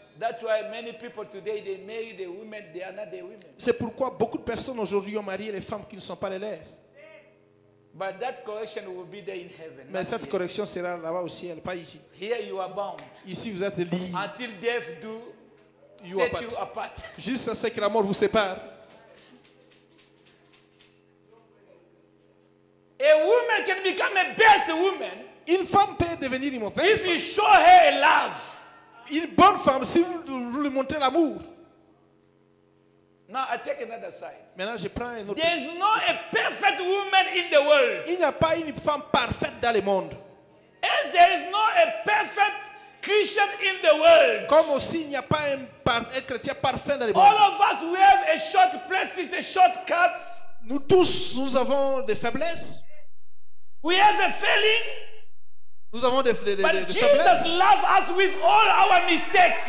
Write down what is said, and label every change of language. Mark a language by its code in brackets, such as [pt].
[en] That's why many people today they marry the women they are not the women. [fr] C'est pourquoi beaucoup de personnes aujourd'hui ont marié les femmes qui ne sont pas les leurs. [en] But that correction will be there in heaven. [fr] Mais cette correction sera là-bas au ciel, pas ici. [en] Here you are bound. [fr] Ici vous êtes lié. [en] Until death do you set apart. You apart. [fr] Jusqu'à ce que la mort vous sépare. [en] A woman can become a best woman. [fr] Une femme peut devenir une mauvaise femme. [en] If you show her a love. [fr] Une bonne femme si vous lui montrez l'amour. [en] Now I take another side. [fr] Maintenant, je prends un autre. [en] There is not a perfect woman in the world. [fr] Il n'y a pas une femme parfaite dans le monde. [en] As there is not a perfect Christian in the world. [fr] Comme aussi il n'y a pas un chrétien parfait dans le monde. [en] All of us we have a short places, a short cuts. [fr] Nous tous, nous avons des faiblesses. [en] We have a failing. [fr] Nous avons des faiblesses. [en] But Jesus loves us with all our mistakes.